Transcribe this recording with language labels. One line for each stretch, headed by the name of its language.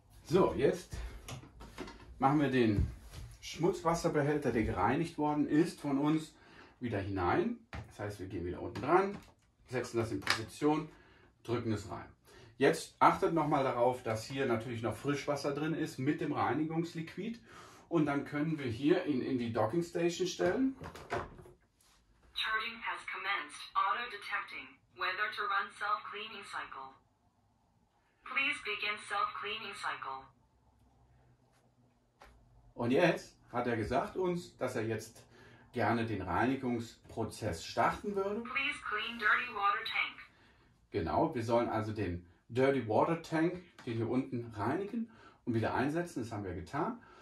German: So, jetzt machen wir den Schmutzwasserbehälter, der gereinigt worden ist, von uns wieder hinein. Das heißt, wir gehen wieder unten dran, setzen das in Position, drücken es rein. Jetzt achtet nochmal darauf, dass hier natürlich noch Frischwasser drin ist mit dem Reinigungsliquid. Und dann können wir hier ihn in die Docking Station stellen.
English: Charging has commenced. Auto detecting whether to run self-cleaning cycle. Please begin self-cleaning cycle.
German: Und jetzt hat er gesagt uns, dass er jetzt gerne den Reinigungsprozess starten würde.
English: Please clean dirty water tank.
German: Genau, wir sollen also den Dirty Water Tank, den hier unten reinigen und wieder einsetzen. Das haben wir getan.